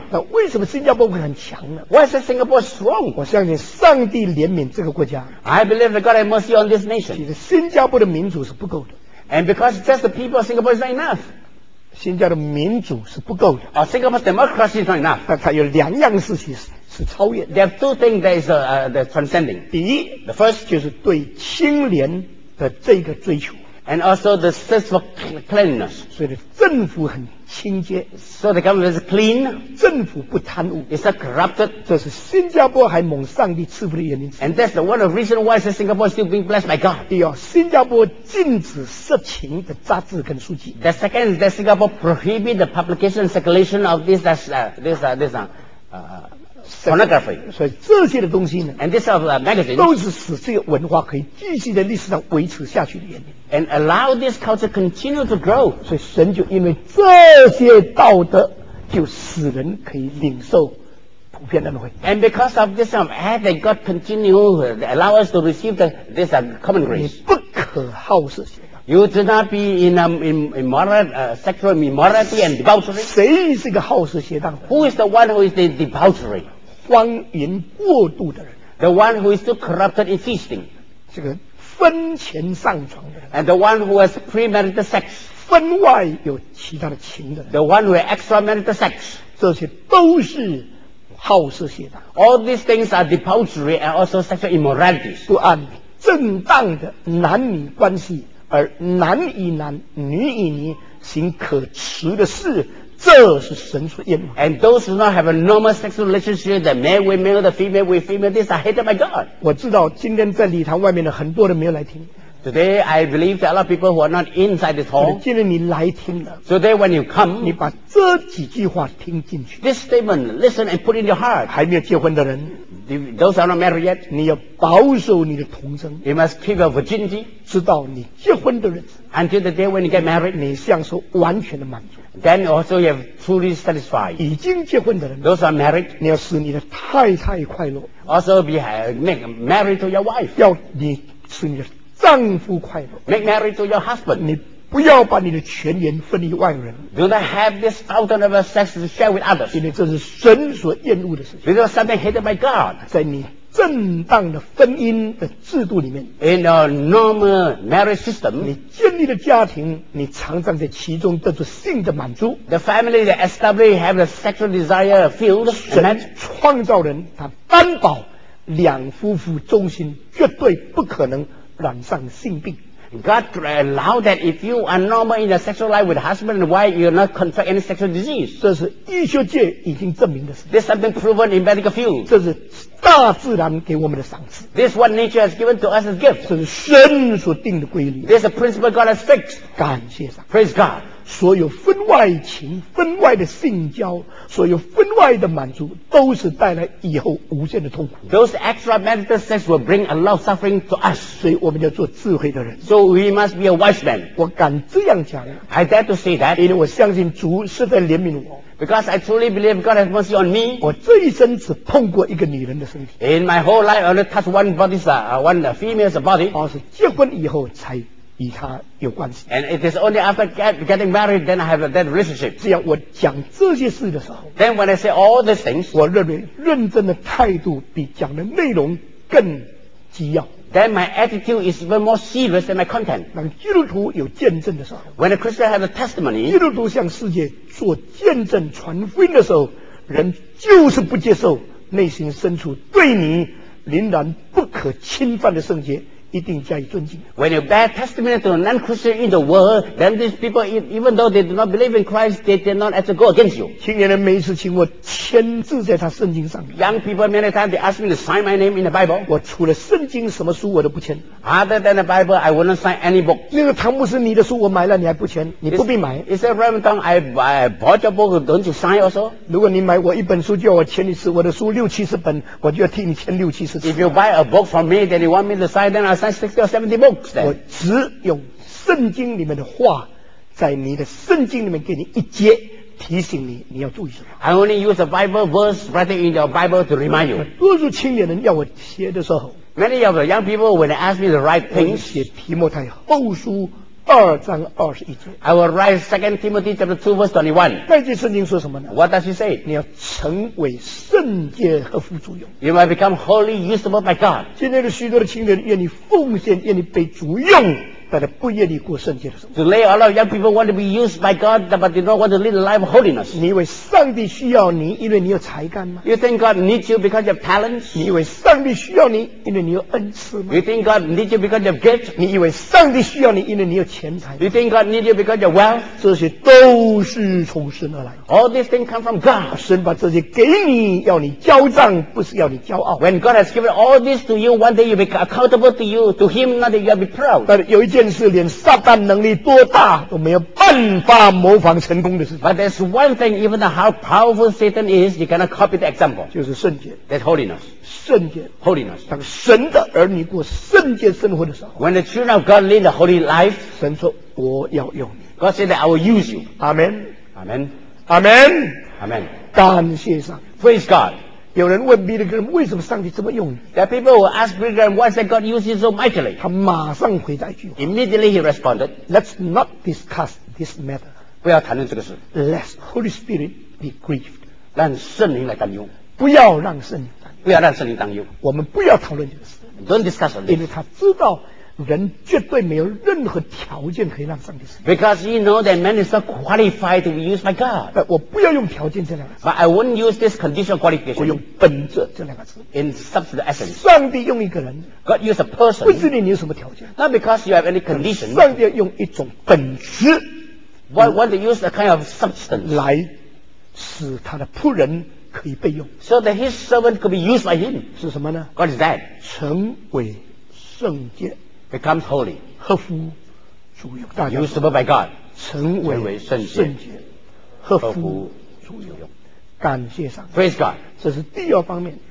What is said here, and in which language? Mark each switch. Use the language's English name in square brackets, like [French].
[Chinese] 那为什么新加坡会很强呢 [English] Why is Singapore strong? [Chinese] 我相信上帝怜悯这个国家 [English] I believe that God has mercy on this nation. [Chinese] 其实新加坡的民主是不够的 [English] And because just the people of Singapore is not enough. [Chinese] 新加坡的民主是不够的 [English] Singapore's democracy is not enough. [Chinese] 但它有两样事情是超越的 [English] There are two things that is transcending. [Chinese] 第一 [English] The first [Chinese] 就是对清廉的这个追求 [English] And also the sense of cleanliness. [Chinese] 所以政府很清洁 [English] So the government is clean. [Chinese] 政府不贪污 [English] It's not corrupted. [Chinese] 这是新加坡还蒙上帝赐福的原因 [English] And that's the one of the reasons why Singapore is still being blessed by God. [Chinese] 第二，新加坡禁止色情的杂志跟书籍 [English] The second is that Singapore prohibits the publication and circulation of this pornography. [Chinese] 所以这些的东西呢 [English] ，and this of magazine [Chinese] 都是使这个文化可以继续在历史上维持下去的原因。 [English] And allow this culture continue to grow. [Chinese] 所以神就因为这些道德，就使人可以领受普遍的恩惠。 [English] And because of this of ethic, God continue allow us to receive this common grace. [Chinese] 你不可好色邪荡。 [English] You do not be in sexual immorality and debauchery. [Chinese] 谁是个好色邪荡 [English] ？Who is the one who is the debauchery？ [Chinese] 荒淫过度的人 [English] ，the one who is too corrupted in feasting， [Chinese] 这个婚前上床的人 [English] ，and the one who has premarital sex， [Chinese] 婚外有其他的情的人 [English] ，the one who has extramarital sex， [Chinese] 这些都是好色邪荡。 [English] All these things are debauchery and also sexual immoralities。 [Chinese] 不按正当的男女关系，而男以男、女以女行可耻的事。这是神所厌恶。 [English] And those who not have a normal sexual relationship, the man with male, the female with female, these are hated by God. [Chinese] 我知道今天在礼堂外面的很多人没有来听。 [English] Today I believe that a lot of people who are not inside this hall. [Chinese] 今天你来听了。 [English] Today when you come, [Chinese] 你把这几句话听进去。 [English] This statement, listen and put in your heart. [Chinese] 还没有结婚的人。 [English] those are not married yet, [Chinese] 你要保守你的童贞。 [English] You must keep your virginity, [Chinese] 直到你结婚的日子。 [English] Until the day when you get married, [Chinese] 你享受完全的满足。 [English] Then also you have truly satisfied. [Chinese] 已经结婚的人， [English] those are married, [Chinese] 你要使你的太太快乐。 [English] Also be make married to your wife, [Chinese] 要你使你的丈夫快乐。 [English] Make married to your husband, [Chinese] 你不要把你的权源分给外人。 [English] Do not have this fountain of sex to share with others. [Chinese] 因为这是神所厌恶的事情。 [English] Because something hated by God. [Chinese] 在你正当的婚姻的制度里面。 [English] In a normal marriage system. [Chinese] 你建立的家庭，你常常在其中得到性的满足。 [English] The family that established have the sexual desire filled. [Chinese] 神创造人，他担保两夫妇忠心，绝对不可能染上性病。 [English] God allowed that if you are normal in a sexual life with a husband and wife, you will not contract any sexual disease. [Chinese] 这是医学界已经证明的事。 [English] This is something proven in medical field. [Chinese] 这是大自然给我们的赏赐。 [English] This is what nature has given to us as gifts. [Chinese] 这是神所定的规律。 [English] This is a principle God has fixed. [Chinese] 感谢上。 [English] Praise God. [Chinese] 所有分外情、分外的性交、所有分外的满足，都是带来以后无限的痛苦。 [English] Those extramarital sex will bring a lot of suffering to us. [Chinese] 所以我们要做智慧的人。 [English] So we must be a wise man. [Chinese] 我敢这样讲。 [English] I dare to say that. [Chinese] 因为我相信主是在怜悯我。 [English] Because I truly believe God has mercy on me. [Chinese] 我这一生只碰过一个女人的身体。 [English] In my whole life, I only touched one body's, one female's body. [Chinese] 而是结婚以后才与他有关系。 [English] And it is only after getting married then I have that relationship. [Chinese] 只要我讲这些事的时候， [English] then when I say all these things, [Chinese] 我认为认真的态度比讲的内容更急要。 [English] Then my attitude is even more serious than my content. [Chinese] 当基督徒有见证的时候， [English] when a Christian has a testimony, [Chinese] 基督徒向世界做见证传福音的时候，人就是不接受，内心深处对你仍然不可侵犯的圣洁一定加以尊敬。 [English] When you bear testimony to non-Christian in the world, then these people, even though they do not believe in Christ, they did not actually go against you. [Chinese] 青年人每次请我签字在他圣经上。 [English] Young people many times they ask me to sign my name in the Bible. [Chinese] 我除了圣经什么书我都不签。 [English] Other than the Bible, I will not sign any book. [Chinese] 那个唐牧师你的书我买了你还不签，你不必买。 [English] Is that Reverend Tang, I bought your book, don't you sign also? [Chinese] 如果你买我一本书就要我签一次，我的书六七十本，我就要替你签六七十次。 [English] If you buy a book from me, then you want me to sign, then I sign 60 or 70 books, then. [Chinese] 我只用圣经里面的话在你的圣经里面给你一节提醒你，你要注意什么。 [English] I only use a Bible verse written in your Bible to remind you. [Chinese] 多数青年人要我写的时候， [English] many of the young people when they ask me to write things, [Chinese] 写提摩太后书二章二十一节。 [English] I will write 2 Timothy chapter 2 verse 21. [Chinese] 那句圣经说什么呢？ [English] What does it say? [Chinese] 你要成为圣洁和富足用。 [English] You might become holy usable by God. [Chinese] 今天的许多的青年人愿意奉献，愿意被主用，但是不愿意过圣洁的生活。 [English] Today a lot of young people want to be used by God, but they don't want to live a life of holiness. [Chinese] 你以为上帝需要你因为你有才干吗？ [English] You think God needs you because you have talents? [Chinese] 你以为上帝需要你因为你有恩赐吗？ [English] You think God needs you because you have gifts? [Chinese] 你以为上帝需要你因为你有钱财吗？ [English] You think God needs you because you have wealth? [Chinese] 这些都是从神而来。 [English] All these things come from God. [Chinese] 神把这些给你要你交账，不是要你骄傲。 [English] When God has given all this to you, one day you will be accountable to you, to him, not that you will be proud. [Chinese] 但有一件但是连撒旦能力多大都没有办法模仿成功的事情。 [English] But there's one thing, even how powerful Satan is, you cannot copy the example. [Chinese] 就是圣洁。 [English] That's holiness. [Chinese] 圣洁。 [English] Holiness. [Chinese] 当神的儿女过圣洁生活的时候， [English] When the children of God live a holy life, [Chinese] 神说我要用你。 [English] God said that I will use you. Amen. Amen. Amen. Amen. [Chinese] 感谢上帝。 [English] Praise God. [Chinese] 有人问 Billy Graham 为什么上帝这么用你？ [English] That people will ask Billy Graham why did God use him so mightily? [Chinese] 他马上回答一句话。 [English] Immediately he responded, "Let's not discuss this matter." [Chinese] 不要谈论这个事。 [English] Let Holy Spirit be grieved. [Chinese] 让圣灵来担忧。不要让圣灵担忧。不要让圣灵担忧。我们不要讨论这个事。 [English] Don't discuss it. [Chinese] 因为他知道人绝对没有任何条件可以让上帝使用。 [English] Because you know that man is not qualified to be used by God. [Chinese] 我不要用条件这两个字。 [English] But I won't use this condition qualification. [Chinese] 我用本质这两个字。 [English] In substance essence. [Chinese] 上帝用一个人。 [English] God use a person. [Chinese] 不是你有什么条件。 [English] Not because you have any condition. [Chinese] 上帝要用一种本质。 [English] What want to use a kind of substance. [Chinese] 来使他的仆人可以被用。 [English] So that his servant could be used by him. [Chinese] 是什么呢？ [English] What is that? [Chinese] 成为圣洁。 [English] Becomes holy. [Chinese] 合乎主用。 [English] Usable by God. [Chinese] 成为圣洁。合乎主用。感谢上帝。 [English] Praise God. [Chinese] 这是第二方面。